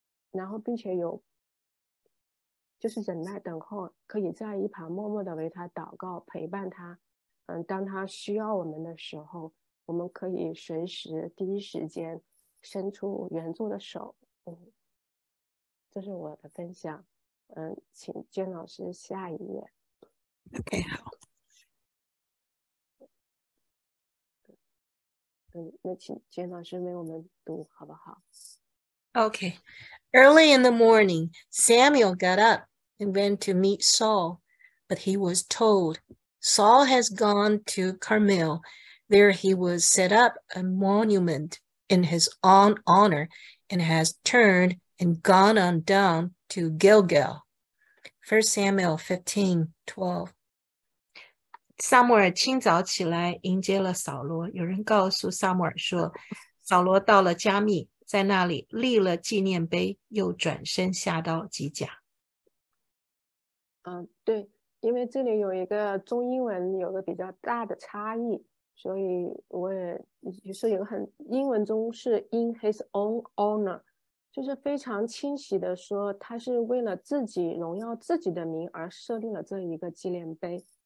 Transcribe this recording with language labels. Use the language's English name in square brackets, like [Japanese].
[Chinese] 然后并且有就是忍耐等候，可以在一旁默默的为他祷告陪伴他，当他需要我们的时候，我们可以随时第一时间伸出援助的手。这是我的分享。请娟老师下一页。 OK， 好。那请娟老师为我们读好不好？ OK。 [English] Early in the morning, Samuel got up and went to meet Saul, but he was told, Saul has gone to Carmel. There he was set up a monument in his own honor and has turned and gone on down to Gilgal. 1 Samuel 15:12. [Chinese] 撒母耳清早起来迎接了扫罗，有人告诉撒母耳说，扫罗到了加密，在那里立了纪念碑，又转身下到基甲。对，因为这里有一个中英文有个比较大的差异，所以我也就是有很英文中是 [English] in his own honor， [Chinese] 就是非常清晰的说他是为了自己荣耀自己的名而设立了这一个纪念碑。